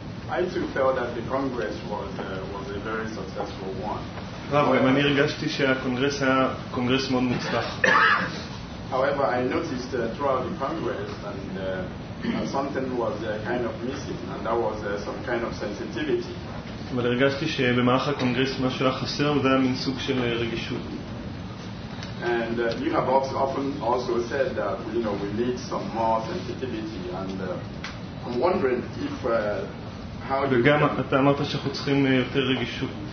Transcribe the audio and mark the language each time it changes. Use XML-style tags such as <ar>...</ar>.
<en>I too felt that the Congress was a very successful one.</en> <he>אני הרגשתי שהקונגרס היה קונגרס מאוד מוצלח.</he> <en>However, I noticed throughout the Congress and something was kind of missing, and that was some kind of sensitivity.</en> <he>אבל הרגשתי שבמהלך הקונגרס משהו היה חסר, וזה היה מין סוג של רגישות.</he> <en>And you have often also said that, you know, we need some more sensitivity, and I'm wondering if how</en> <he>do גם אתה אמרת שאנחנו צריכים יותר רגישות.</he>